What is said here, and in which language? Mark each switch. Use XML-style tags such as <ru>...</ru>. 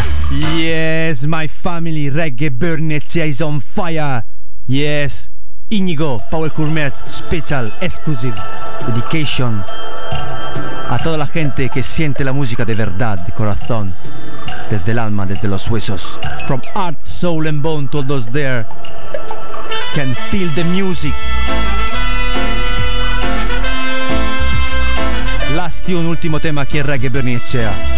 <en>Yes, my family, Reggae Burnet is on fire. Yes.</en> <es>Inigo, Paul Kurmez,</es> <en>special, exclusive, dedication</en> <es>a toda la gente que siente la música de verdad, de corazón, desde el alma, desde los huesos.</es> <en>From heart, soul and bone to those there can feel the music. Last tune,</en> <es>último tema aquí en Reggae Burning Echea.</es>